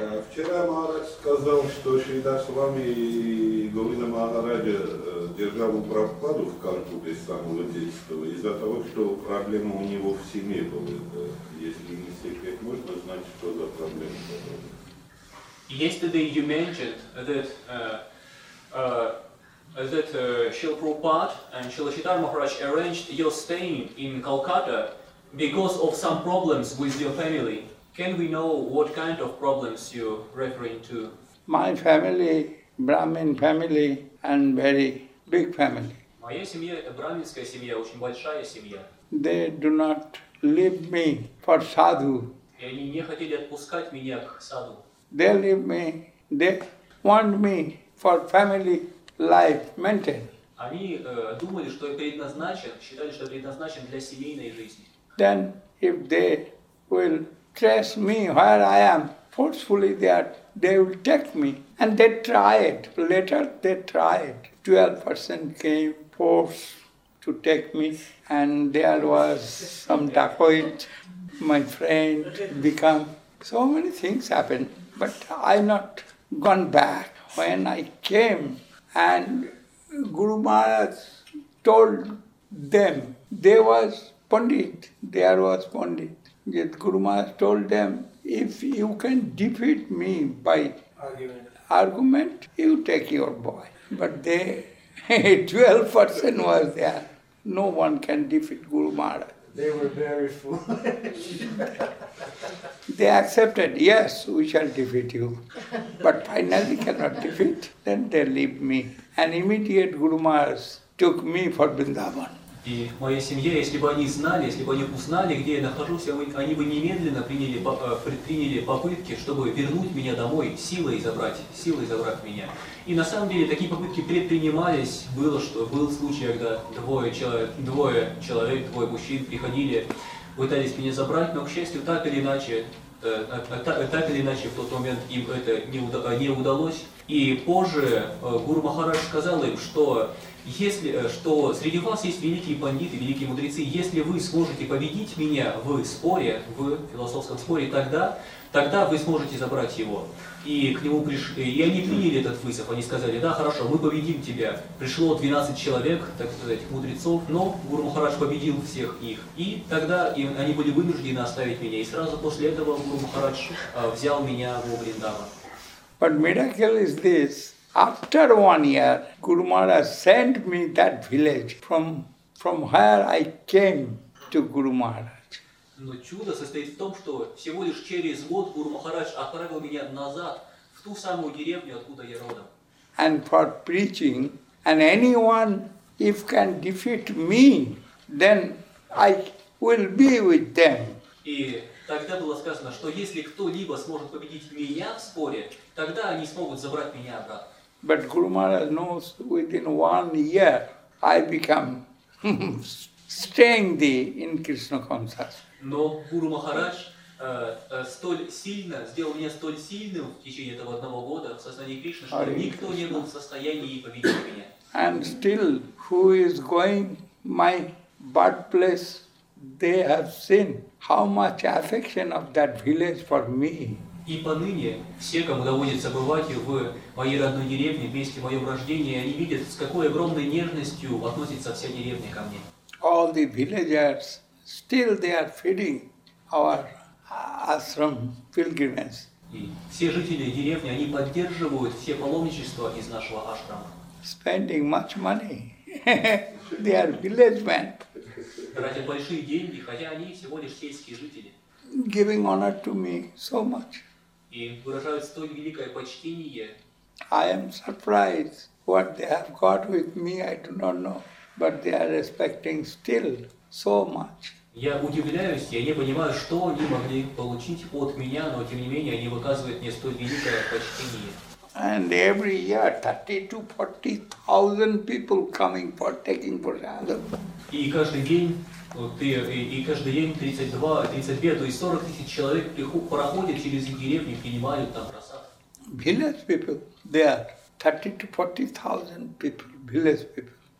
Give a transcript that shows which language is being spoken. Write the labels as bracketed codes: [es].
[ru] Вчера Махарадж сказал, что Шридхар Свами Говинда Махарадж держал у Прабхупады в Калькутте с самого детства из-за того, что проблема у него в семье была. Если не секрет, можно знать, что за проблема была? [en] Yesterday you mentioned that Srila Prabhupada and Srila Chaitanya Maharaj arranged your staying in Calcutta because of some problems with your family. Can we know what kind of problems you're referring to? My family, Brahmin family, and very big family. [ru] Моя семья браминская семья, очень большая семья. [en] They do not leave me for sadhu. [ru] И они не хотели отпускать меня к саду. [en] They leave me. They want me for family. Life maintained. [ru] Они думали, что предназначен, считали, что предназначен для семейной жизни. [en] Then, if they will trace me where I am, forcefully they will take me. And they try it. Later they try it. 12% came force to take me. And there was some dacoit, my friend, become. So many things happened. But I not gone back. When I came, and Guru Maharaj told them, there was Pandit. Yet Guru Maharaj told them, if you can defeat me by argument, you take your boy. But they, 12% was there. No one can defeat Guru Maharaj. They were very foolish. They accepted, yes, we shall defeat you. But finally cannot defeat, then they leave me. And immediate Guru Maharaj took me for Vrindavan. [ru] И моя семья, если бы они знали, если бы они узнали, где я нахожусь, они бы немедленно предприняли попытки, чтобы вернуть меня домой, силой забрать меня. И на самом деле такие попытки предпринимались. Было, что был случай, когда двое мужчин приходили, пытались меня забрать, но, к счастью, так или иначе, в тот момент им это не удалось. И позже Гуру Махарадж сказал им, что среди вас есть великие пандиты, великие мудрецы. Если вы сможете победить меня в споре, в философском споре, тогда вы сможете забрать его. И к нему пришли. И они приняли этот вызов. Они сказали: да, хорошо, мы победим тебя. Пришло 12 человек, так сказать, мудрецов, но Гуру Махарадж победил всех их. И тогда они были вынуждены оставить меня. И сразу после этого Гуру Махарадж взял меня во Вриндаван. [en] But miracle is this, after 1 year, Guru Maharaj sent me that village from where I came to Guru Maharaj. [ru] Но чудо состоит в том, что всего лишь через год Гуру Махарадж отправил меня назад, в ту самую деревню, откуда я родом. [en] And for preaching, and anyone, if can defeat me, then I will be with them. [ru] И тогда было сказано, что если кто-либо сможет победить меня в споре, тогда они смогут забрать меня обратно. [en] But Guru Maharaj knows within 1 year I become staying there in Krishna consciousness. [ru] Но Гуру Махарадж сделал меня столь сильным в течение этого одного года в сознании Кришны, что никто не был в состоянии победить меня. [en] And still, who is going my birthplace? They have seen how much affection of that village for me. [ru] И поныне все, кому доводится бывать в моей родной деревне, вместе моем рождении, они видят, с какой огромной нежностью относится вся деревня ко мне. [en] All the villagers, still they are feeding our ashram pilgrimages. [ru] И все жители деревни, они поддерживают все паломничества из нашего ашрама. [en] Spending much money. They are village men. [ru] тратя большие деньги, хотя они всего лишь сельские жители. [en] Giving honor to me so much. [ru] И выражают столь великое почтение. [en] I am surprised what they have got with me, I do not know. But they are respecting still so much. [ru] Я удивляюсь, я не понимаю, что они могли получить от меня, но тем не менее они выказывают мне столь великое почтение. [en] And every year 30,000 to 40,000 people coming for taking prasadam. [ru] И каждый день, и каждый день 32,000 [en] to [ru] 40,000 человек проходят через деревню, принимают там прасад. [en] Village people, they are 30,000 to 40,000 people, village people.